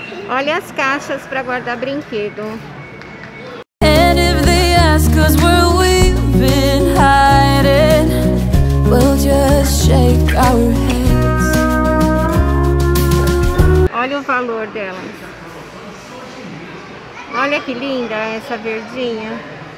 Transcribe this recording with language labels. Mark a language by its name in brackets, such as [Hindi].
[Portuguese] Olha as caixas para guardar brinquedo. [English] And if they ask us where we've been hiding, we'll just shake our heads. [Portuguese] Olha o valor delas. Olha que linda essa verdinha.